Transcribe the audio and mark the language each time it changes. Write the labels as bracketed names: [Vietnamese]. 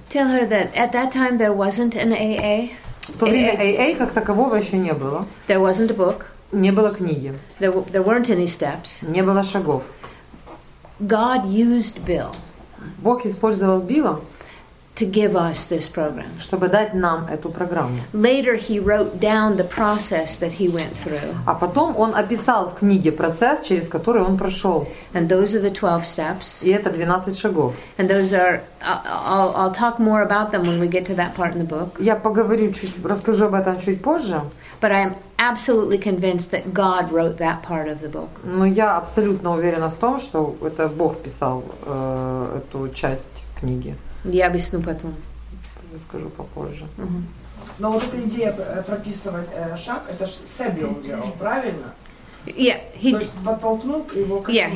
[English] Tell her that at that time there wasn't an AA. [Russian] В то время AA как такового еще не было. [English] There wasn't a book. [Russian] Не было книги. [English] There weren't any steps. [Russian] Не было шагов. [English] God used Bill. [Russian] Бог использовал Билла. [English] to give us this program. [Russian] Чтобы дать нам эту программу. [English] Later he wrote down the process that he went through. [Russian] А потом он описал в книге процесс, через который он прошёл. [English] And those are the 12 steps. [Russian] И это 12 шагов. [English] And those are I'll talk more about them when we get to that part in the book. [Russian] Я поговорю чуть расскажу об этом чуть позже. [English] But I'm absolutely convinced that God wrote that part of the book. [Russian] Но я абсолютно уверена в том, что это Бог писал эту часть книги. Я объясню потом. Расскажу попозже. Угу. Но вот эта идея прописывать шаг, это же Себил делал, правильно? [English] Yeah, [Russian] то есть подтолкнул его к этому.